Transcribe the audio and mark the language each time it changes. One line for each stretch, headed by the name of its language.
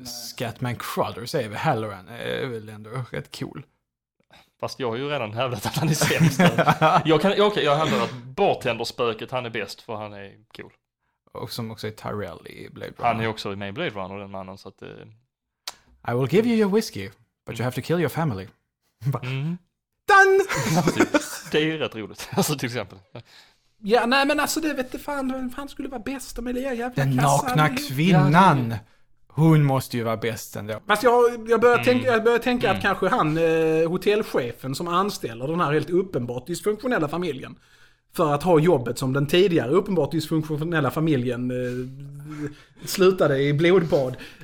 Swedish: Scatman Crothers säger vi. Halloran är väl ändå rätt cool. Fast jag har ju redan hävdat att han är sämst. jag hävdar att bartenderspöket, han är bäst för han är cool. Och som också är Tyrell i Blade Runner. Han är också med i Blade Runner, den mannen. Så att,
English: I will give you your whiskey, but you have to kill your family. Done!
Swedish: Det är ju rätt roligt, alltså till exempel. Ja, nej men alltså det vet du fan, vem fan skulle vara bäst om Elia jävla den nakna kvinnan, hon måste ju vara bäst ändå. Fast jag börjar tänka att kanske han, hotellchefen som anställer den här helt uppenbart dysfunktionella familjen för att ha jobbet som den tidigare uppenbart dysfunktionella familjen slutade i blodbad.